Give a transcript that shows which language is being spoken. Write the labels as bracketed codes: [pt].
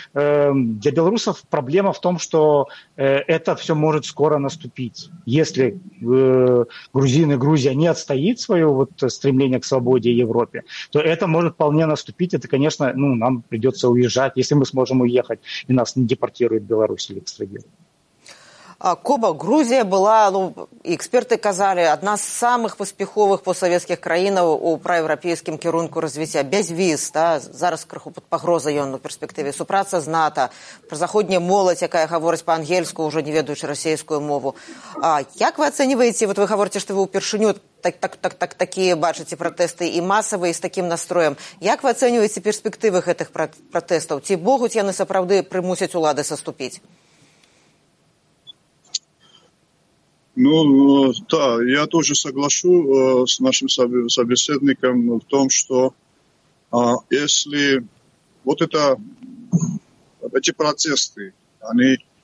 [ru] Для белорусов проблема в том, что это все может скоро наступить. Если Грузия не отстоит свое вот стремление к свободе Европе, то это может вполне наступить. Это, конечно, нам придется уезжать, если мы сможем уехать, и нас не депортируют в Беларусь или экстрадируют. [be] Коба, Грузия была, эксперты казали, одна з самых паспіховых постсавецкіх краінаў у праеўрапейскім кірунку развіцця. Без віз, да, зараз крыху пад пагрозай ён у перспектыве. Супраца з НАТО, пра заходнія моладзь, якая гаворыць па-ангельску, ўжо не ведаючы расейскую мову. Як вы ацэньваеце, вот вы гаворыце, што вы ўпершыню такія бачыце пратэсты і масавыя, і з такім настроем. Як вы ацэньваеце перспектывы гэтых пратэстаў? Ці могуць яны сапраўды прымусяць улады саступіць? [ru] Ну, да, я тоже соглашу с нашим собеседником в том, что если вот эти протесты, они